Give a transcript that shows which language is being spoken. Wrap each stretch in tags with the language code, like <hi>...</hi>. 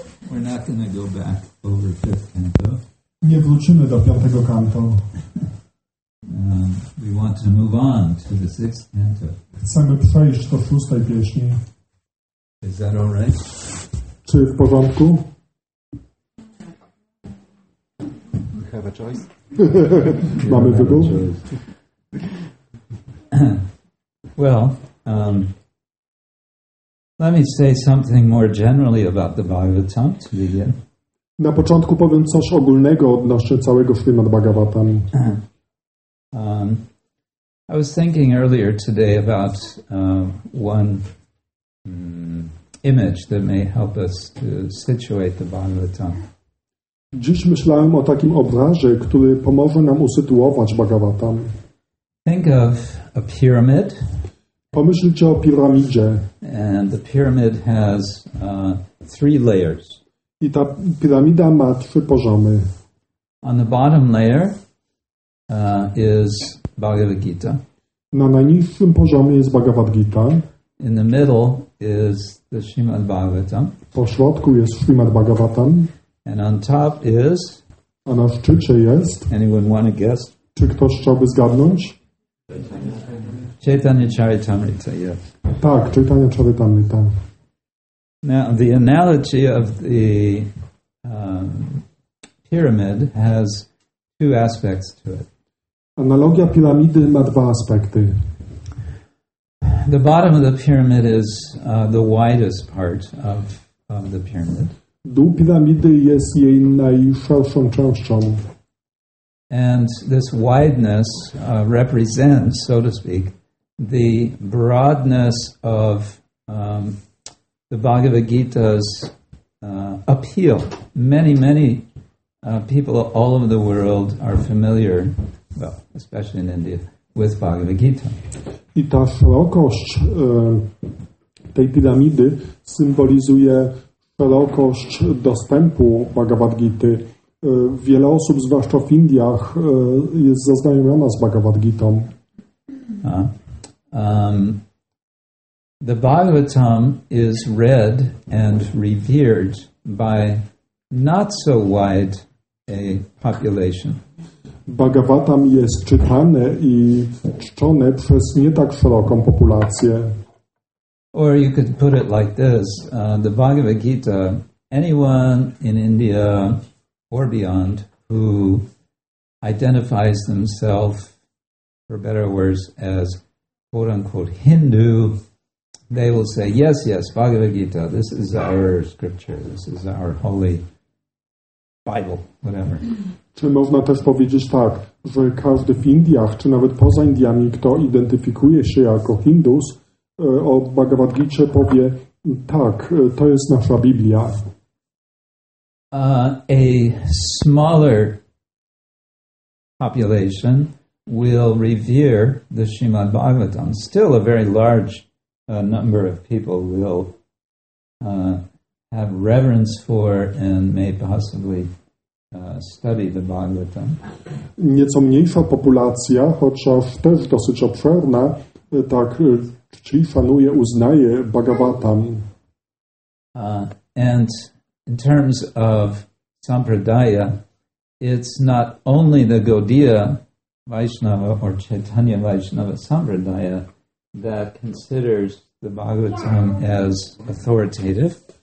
<en>We're not going to go back over fifth canto.</en> <pl>Nie wrócimy do piątego kanto.</pl> <en>We want to move on to the sixth canto.</en> <pl>Chcemy przejść do szóstej pieśni.</pl> <en>Is that all right?</en> <pl>Czy w porządku?</pl> <en>We have a choice.</en> <pl>Mamy wybór.</pl> <en>Well, let me say something more generally about the Bhagavatam to begin.</en> <pl>Na początku powiem coś ogólnego odnośnie całego Śrimad Bhagavatam.</pl> <en>I was thinking earlier today about one image that may help us to situate the Bhagavatam.</en> <pl>Dziś myślałem o takim obrazie, który pomoże nam usytuować Bhagavatam.</pl> <en>Think of a pyramid.</en> <pl>Pomyślcie o piramidzie.</pl> <en>And the pyramid has three layers.</en> <pl>I ta piramida ma trzy poziomy.</pl> <en>On the bottom layer is Bhagavad Gita.</en> <pl>Na najniższym poziomie jest Bhagavad Gita.</pl> <en>In the middle is the Srimad Bhagavatam.</en> <pl>Po środku jest Srimad Bhagavatam.</pl> <en>And on top is.</en> <pl>A na szczycie jest.</pl> <en>Anyone want to guess?</en> <pl>Czy ktoś chciałby zgadnąć?</pl> <en>Chaitanya Charitamrita, yes.</en> <pl>Tak, Chaitanya Charitamrita.</pl> <en>Now, the analogy of the pyramid has two aspects to it.</en> <pl>Analogia piramidy ma dwa aspekty.</pl> <en>The bottom of the pyramid is the widest part of the pyramid.</en> <pl>Dół piramidy jest jej najszerszą częścią.</pl> <en>And this wideness represents, so to speak, the broadness of the Bhagavad Gita's appeal. Many, many people all over the world are familiar, well, especially in India, with Bhagavad Gita.</en> <pl>I ta szerokość tej piramidy symbolizuje szerokość dostępu Bhagavad Gita. Wiele osób, zwłaszcza w Indiach, jest zaznajomiona z Bhagavad Gita.</pl> <en>The Bhagavatam is read and revered by not so wide a population.</en> <pl>Bhagavatam jest czytane i czczone przez nie tak szeroką populację.</pl> <en>Or you could put it like this, the Bhagavad Gita, anyone in India or beyond who identifies themselves, for better or worse, as quote-unquote Hindu, they will say, yes, yes, Bhagavad Gita, this is our scripture, this is our holy Bible, whatever.</en> <pl>Czy można też powiedzieć tak, że każdy w Indiach, czy nawet poza Indiami, kto identyfikuje się jako Hindus, o Bhagavad Gita powie, tak, to jest nasza Biblia.</pl> <en>A smaller population will revere the Srimad Bhagavatam. Still a very large number of people will have reverence for and may possibly study the Bhagavatam.</en> <pl>Nieco mniejsza populacja, chociaż też dosyć obszerna, tak czci, szanuje, uznaje Bhagavatam.</pl> <en>And in terms of Sampradaya, it's not only the Gaudiya Vaishnava or Chaitanya Vaishnava Sampradaya that considers the Bhagavatam as authoritative.</en>